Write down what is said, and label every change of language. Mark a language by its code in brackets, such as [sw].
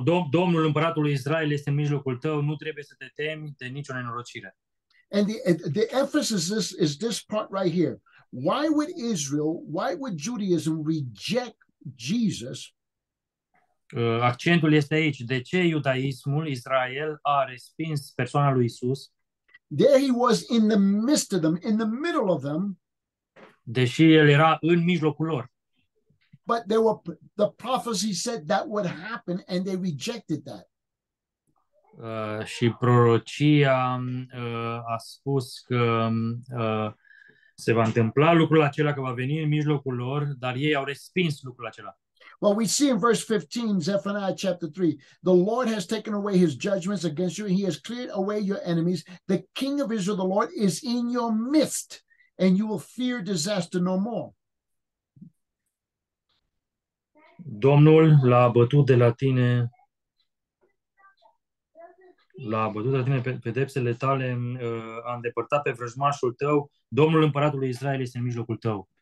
[ro] Domnul împăratului Israel este în mijlocul tău, nu trebuie să te temi de nicio nenorocire. [en] And the emphasis is this part right here. Why would Israel, why would Judaism reject Jesus? [ro] Accentul este aici. De ce iudaismul, Israel, a respins persoana lui Isus? [en] There he was in the midst of them, in the middle of them. [ro] Deși el era în mijlocul lor. [en] But there were the prophecy said that would happen and they rejected that. [ro] Și prorocia a spus că se va întâmpla lucrul acela, că va veni în mijlocul lor, dar ei au respins lucrul acela. [en] Well, we see in verse 15, Zephaniah chapter 3, the Lord has taken away his judgments against you. He has cleared away your enemies. The King of Israel, the Lord, is in your midst, and you will fear disaster no more. [ro] Domnul l-a bătut de la tine, l-a bătut de la tine pedepsele tale, a îndepărtat pe vrăjmașul tău. Domnul împăratului Israel este în mijlocul tău.